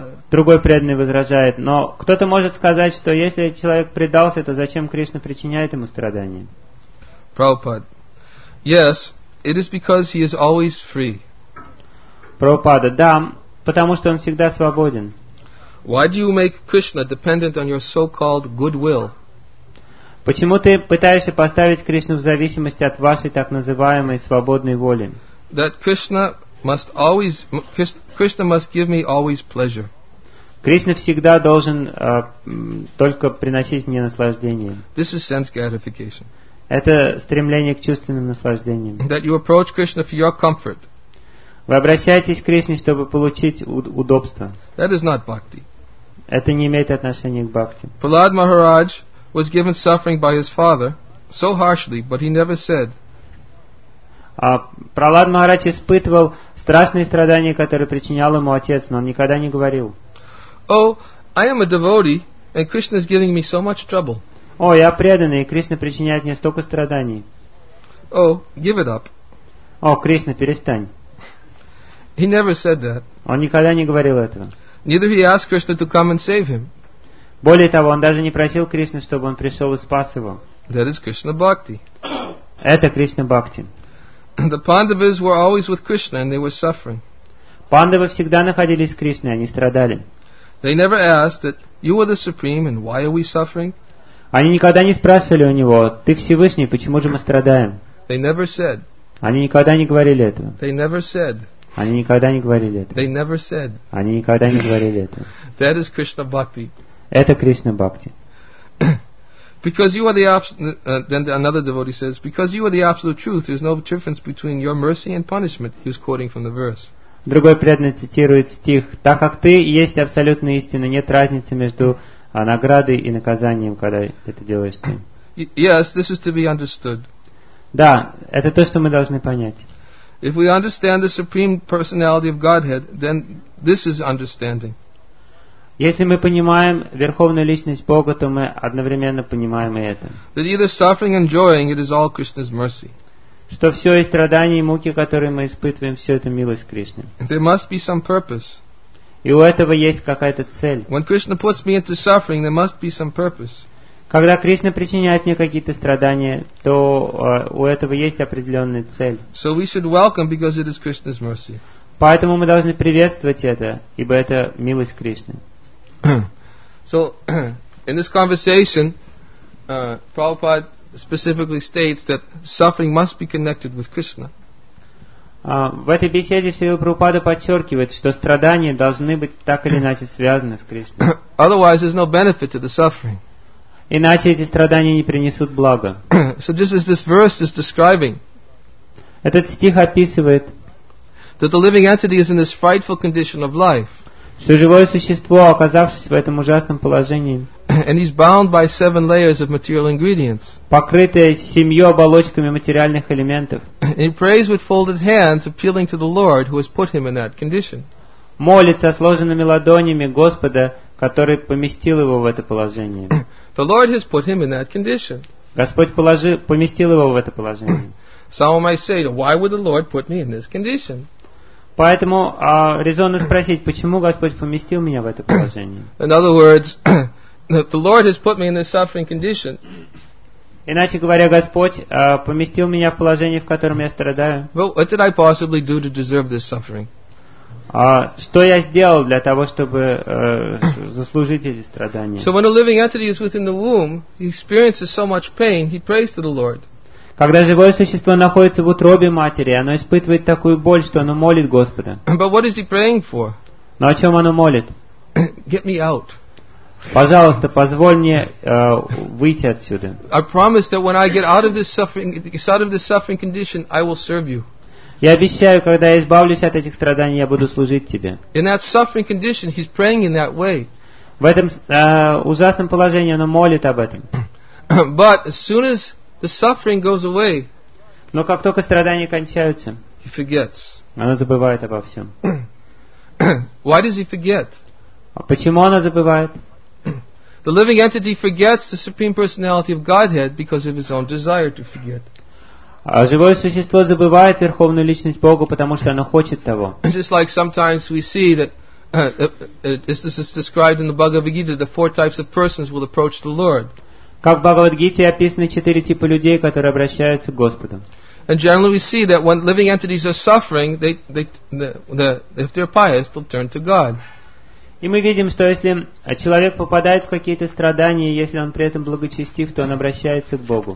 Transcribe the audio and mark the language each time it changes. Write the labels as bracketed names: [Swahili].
[Russian] Другой преданный возражает, но кто-то может сказать, что если человек предался, то зачем Кришна причиняет ему страдания? [English] Prabhupada. Yes, it is because he is always free. [Russian] Prabhupada, да, потому что он всегда свободен. [English] Why do you make Krishna dependent on your so-called goodwill? [Russian] Почему ты пытаешься поставить Кришну в зависимости от вашей так называемой свободной воли? [English] That Krishna must give me always pleasure. [Russian] Кришна всегда должен только приносить мне наслаждение. [English] This is sense gratification. [Russian] Это стремление к чувственным наслаждениям. [English] That you approach Krishna for your comfort. [Russian] Вы обращаетесь к Кришне, чтобы получить удобство. [English] That is not bhakti. [Russian] Это не имеет отношения к бхакти. [English] Prahlad Maharaj was given suffering by his father so harshly, but he never said. [Russian] Prahlad Maharaj испытывал страшные страдания, которые причинял ему отец, но он никогда не говорил. [English] Oh, I am a devotee, and Krishna is giving me so much trouble. [Russian] О, я преданный, и Кришна причиняет мне столько страданий. [English] Oh, give it up. [Russian] О, Кришна, перестань. [English] He never said that. [Russian] Он никогда не говорил этого. [English] Neither he asked Krishna to come and save him. [Russian] Более того, он даже не просил Кришну, чтобы он пришел и спас его. [English] That is Krishna bhakti. [Russian] Это Кришна бхакти. [English] The Pandavas were always with Krishna and they were suffering. [Russian] Пандавы всегда находились с Кришной, они страдали. [English] They never asked that you are the supreme and why are we suffering? [Russian] Они никогда не спрашивали у него: ты Всевышний, почему же мы страдаем? [English] They never said. [Russian] Они никогда не говорили этого. [English] They never said. [Russian] Они никогда не говорили этого. [English] They never said. [Russian] Они никогда не говорили этого. [English] That is Krishna bhakti. [Russian] Это Кришна бхакти. [English] Because you are the then another devotee says, because you are the absolute truth, there is no difference between your mercy and punishment. He was quoting from the verse. [Russian] Другой преданный цитирует стих: так как ты есть абсолютная истина, нет разницы между наградой и наказанием, когда это делаешь ты. [English] Yes, this is to be understood. [Russian] Да, это то, что мы должны понять. [English] If we understand the supreme personality of Godhead, then this is understanding. [Russian] Если мы понимаем верховную личность Бога, то мы одновременно понимаем и это. [English] That either suffering and enjoying, it is all Krishna's mercy. [Russian] Что все и страдания, и муки, которые мы испытываем, все это милость Кришны. [English] There must be some purpose. [Russian] И у этого есть какая-то цель. [English] When Krishna puts me into suffering, there must be some purpose. [Russian] Когда Кришна причиняет мне какие-то страдания, то у этого есть определенная цель. [English] So we should welcome, because it is Krishna's mercy. [Russian] Поэтому мы должны приветствовать это, ибо это милость Кришны. [English] So, in this conversation, Prabhupada specifically states that suffering must be connected with Krishna. [Russian] В этой беседе Шрила Прабхупада подчеркивает, что страдания должны быть так или иначе связаны с Кришной. [English] Otherwise, there's no benefit to the suffering. [Russian] Иначе эти страдания не принесут блага. [English] So just as this verse is describing, [Russian] этот стих описывает, [English] that the living entity is in this frightful condition of life, [Russian] что живое существо, оказавшись в этом ужасном положении, [English] and he's bound by seven layers of material ingredients, [Russian] покрытое семью оболочками материальных элементов, [English] and he prays with folded hands, appealing to the Lord who has put him in that condition, [Russian] молится сложенными ладонями Господа, который поместил его в это положение. [English] The Lord has put him in that condition. [Russian] Господь поместил его в это положение. [English] Some might say, why would the Lord put me in this condition? [Russian] Поэтому резонно спросить, почему Господь поместил меня в это положение? [English] In other words, the Lord has put me in this suffering condition. [Russian] Иначе говоря, Господь поместил меня в положение, в котором я страдаю. [English] Well, what did I possibly do to deserve this suffering? [Russian] Что я сделал для того, чтобы заслужить эти страдания? [English] So when a living entity is within the womb, he experiences so much pain, he prays to the Lord. [Russian] Когда живое существо находится в утробе матери, оно испытывает такую боль, что оно молит Господа. [English] But what is he praying for? [Russian] Но о чем оно молит? [English] Get me out. [Russian] Пожалуйста, позволь мне выйти отсюда. [English] I promise that when I get out of this suffering condition, I will serve you. [Russian] Я обещаю, когда я избавлюсь от этих страданий, я буду служить тебе. [English] In that suffering condition, he's praying in that way. [Russian] В этом ужасном положении оно молит об этом. [English] But as soon as the suffering goes away, [Russian] но как только страдания кончаются, [English] he forgets. [Russian] Оно забывает обо всем. [English] Why does he forget? [Russian] Почему оно забывает? [English] The living entity forgets the supreme personality of Godhead because of his own desire to forget. [Russian] А живое существо забывает верховную личность Бога, потому что оно хочет того. [English] Just like sometimes we see that, this is described in the Bhagavad Gita, the four types of persons will approach the Lord. [Russian] Как в Бхагавад-гите описаны четыре типа людей, которые обращаются к Господу. [English] And generally we see that when living entities are suffering, if they're pious, they'll turn to God. [Russian] И мы видим, что если человек попадает в какие-то страдания, если он при этом благочестив, то он обращается к Богу.